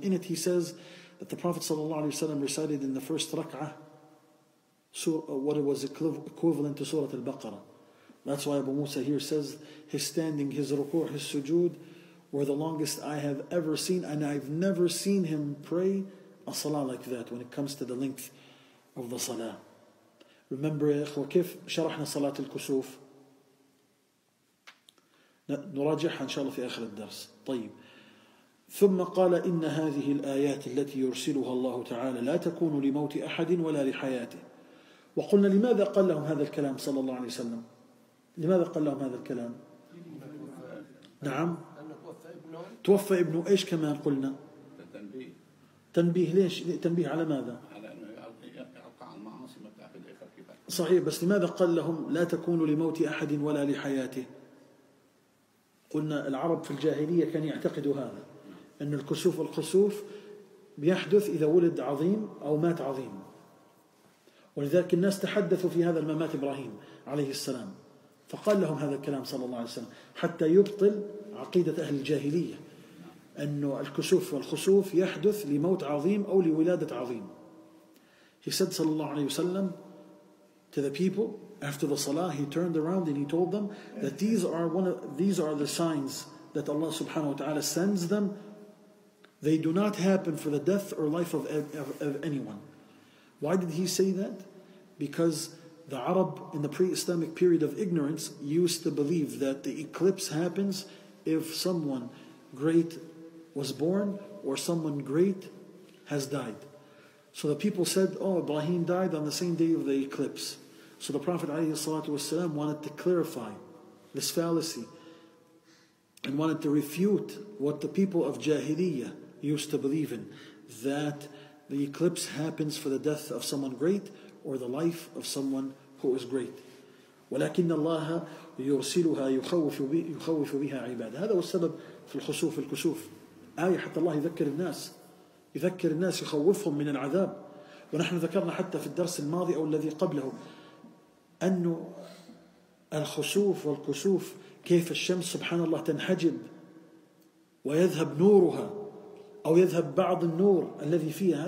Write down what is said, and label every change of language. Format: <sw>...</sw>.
<en>In it he says that the Prophet ﷺ recited in the first rak'ah what it was equivalent to Surah Al-Baqarah. That's why Abu Musa here says his standing, his ruku', his sujood were the longest I have ever seen, and I've never seen him pray a salah like that when it comes to the length of the salah.</en> <ar>Remember, إخوة, كيف شرحنا صلاة الكسوف؟ نراجعها إن شاء الله في آخر الدرس. طيب. ثم قال إن هذه الآيات التي يرسلها الله تعالى لا تكون لموت أحد ولا لحياته. وقلنا لماذا قال لهم هذا الكلام صلى الله عليه وسلم؟ لماذا قال لهم هذا الكلام؟ نعم. توفى ابنه إيش كمان قلنا؟ تنبيه. ليش؟ تنبيه على ماذا؟ على أنه يقع المعاصي متعبد إخر كبار. صحيح. بس لماذا قال لهم لا تكون لموت أحد ولا لحياته؟ قلنا العرب في الجاهلية كان يعتقدوا هذا، أن الكسوف والخسوف بيحدث إذا ولد عظيم أو مات عظيم، ولذلك الناس تحدثوا في هذا الممات إبراهيم عليه السلام، فقال لهم هذا الكلام صلى الله عليه وسلم حتى يبطل عقيدة أهل الجاهلية أن الكسوف والخسوف يحدث لموت عظيم أو لولادة عظيم.</ar> <en>He said صلى الله عليه وسلم to the people after the salah, he turned around and he told them that these are the signs that Allah subhanahu wa ta'ala sends them. They do not happen for the death or life of anyone. Why did he say that? Because the Arab in the pre-Islamic period of ignorance used to believe that the eclipse happens if someone great was born or someone great has died. So the people said, oh, Ibrahim died on the same day of the eclipse. So the Prophet ﷺ wanted to clarify this fallacy and wanted to refute what the people of Jahiliyyah used to believe in, that the eclipse happens for the death of someone great or the life of someone who is great.</en> <ar>وَلَكِنَّ اللَّهَ يُرْسِلُهَا يُخَوِّفُ بِهَا عِبَادَ. هذا هو السبب في الخسوف الكسوف. آية حتى الله يذكر الناس, يذكر الناس, يخوفهم من العذاب. ونحن ذكرنا حتى في الدرس الماضي أو الذي قبله أن الخسوف والكسوف كيف الشمس سبحان الله تنحجب ويذهب نورها أو يذهب بعض النور الذي فيها.</ar>